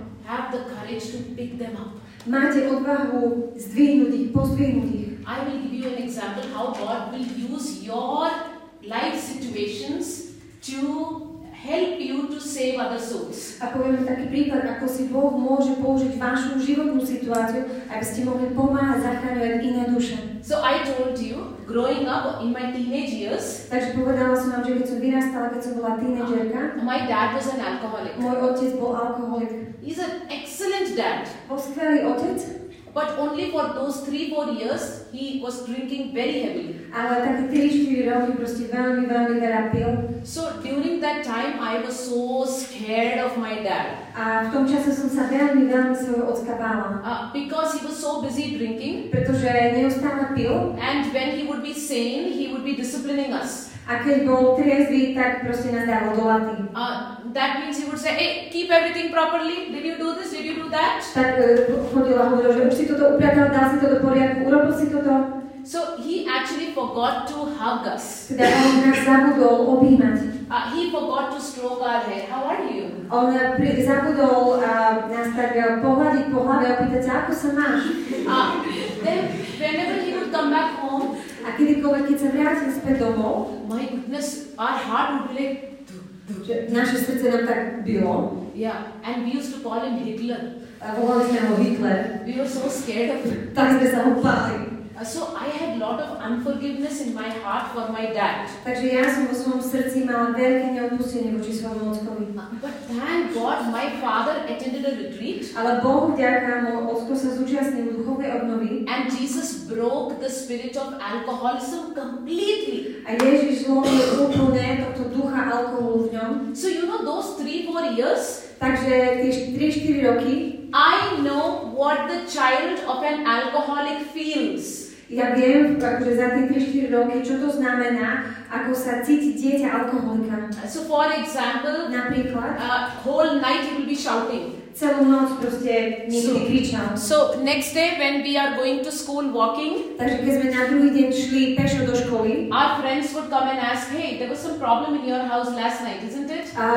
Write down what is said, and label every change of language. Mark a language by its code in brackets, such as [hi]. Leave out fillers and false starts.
[en] have the courage to pick them up. [sk] Máte odvahu zdvihnúť ich, pozdvihnúť ich. [en] I will give you an example how God will use your life situations to help you to save other souls. [sk] A poviem taký príklad, ako si Boh môže použiť vašu životnú situáciu, aby ste mohli pomáhať zachraňovať iné duše. [en] So I told you, growing up in my teenage years, [sk] takže povedala som vám, že keď som vyrastala, keď som bola tínedžerka, [en] my dad was an alcoholic. [sk] Môj otec bol alkoholik. [en] He's an excellent dad. [sk] Bol skvelý otec. [en] But only for those 3-4 years he was drinking very heavily. [sk] Ale tak 3-4 roky proste veľmi, veľmi veľa pil. [en] So during that time I was so scared of my dad. [sk] A v tom čase som sa veľmi, veľmi svojho otca bála. [en] Because he was so busy drinking. [sk] Pretože neustále pil. [en] And when he would be sane, he would be disciplining us. [sk] A keď bol triezvy, tak proste nadával do laty. [en] That means he would say, hey, keep everything properly. Did you do this? Did you do that? [sk] Tak chodil a hovoril, že už si toto upriatal, dal si to do poriadku, urobil si toto. [en] So he actually forgot to hug us. [sk] Teda on nás zabudol objímať. [en] He forgot to stroke our head. How are you? [sk] On zabudol nás tak pohľadiť po hlave a pýtať sa, ako sa máš? [en] Then whenever he would come back home, [sk] a kedykoľvek, keď sa vrátil späť domov, [en] my goodness, our heart would be like, [sk] naše srdce nám tak bylo. [en] Yeah, and we used to call him Hitler. [sk] Volali sme ho Hitler. [en] We were so scared of him. [sk] Tak sme sa ho báli. [en] So I had lot of unforgiveness in my heart for my dad. [sk] Takže ja som vo svojom srdci mala veľké neodpustenie voči svojmu otcovi. [en] But thank God my father attended a retreat. [sk] Ale Bohu vďaka, môj otko sa zúčastnil duchovnej obnovy. [en] And Jesus broke the spirit of alcoholism completely. [sk] A Ježiš zlomil úplne tohto ducha alkoholu v ňom. [en] So you know those 3-4 years? [sk] Takže tie 3-4 roky. [en] I know what the child of an alcoholic feels. [sk] Ja viem, akože za tie 3-4 roky, čo to znamená, ako sa cíti dieťa alkoholika. [en] So for example, [sk] napríklad, [en] whole night he will be shouting. [sk] Celú noc proste niekedy kričal. [en] So next day when we are going to school walking, [sk] takže keď sme na druhý deň šli pešo do školy, [en] our friends would come and ask, hey, there was some problem in your house last night, isn't it?